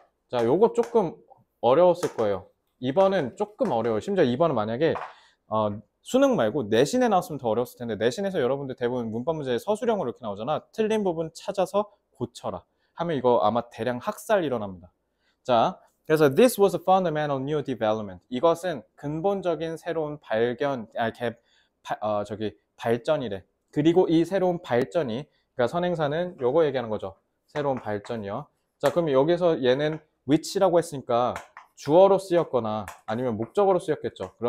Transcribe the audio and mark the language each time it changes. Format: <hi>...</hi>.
<ko>자, 요거 조금 어려웠을 거예요. 2번은 조금 어려워요. 심지어 2번은 만약에 수능 말고 내신에 나왔으면 더 어려웠을 텐데, 내신에서 여러분들 대부분 문법 문제에 서술형으로 이렇게 나오잖아. 틀린 부분 찾아서 고쳐라 하면 이거 아마 대량 학살 일어납니다. 자, 그래서</ko> <en>this was a fundamental new development.</en> <ko>이것은 근본적인 새로운 발견, 아, 개, 파, 어, 저기 발전이래. 그리고 이 새로운 발전이, 그러니까 선행사는 요거 얘기하는 거죠. 새로운 발전이요. 자, 그럼 여기서 얘는 which라고 했으니까 주어로 쓰였거나 아니면 목적으로 쓰였겠죠.</ko>